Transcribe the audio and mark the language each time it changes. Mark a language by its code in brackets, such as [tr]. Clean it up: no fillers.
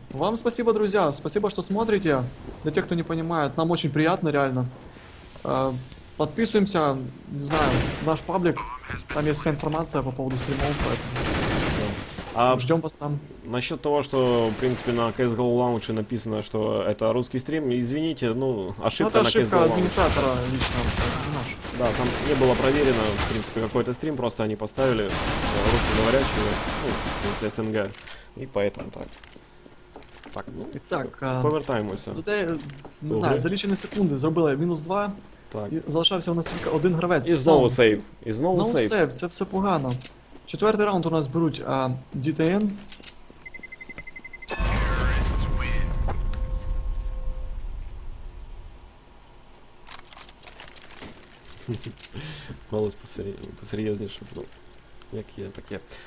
[ru] Вам спасибо, друзі, спасибо, что смотрите. Для тех, кто не понимает, нам очень приятно, реально. Подписываемся, не знаю, наш паблик. Там есть вся информация по поводу стримов, поэтому... А ждем вас там. Насчет того, что, в принципе, на CSGO Lounge написано, что это русский стрим, извините, ну, ошибка на CSGO Lounge. Это ошибка администратора лично, наш. Да, там не было проверено, в принципе, какой-то стрим, просто они поставили русскоговорящего, ну, из СНГ, и поэтому так. Так, ну, итак, [uk] повертаемся. [ru] Не знаю, за личные секунды [uk] зробили [ru] минус 2, так. [uk] И залишався у нас [ru] только [uk] один гравець. [ru] И снова сейв. И снова сейв. Сейв, это все [uk] погано. Четвертий раунд у нас беруть DTN. Голос посерйозніше. Ну, як є, так є.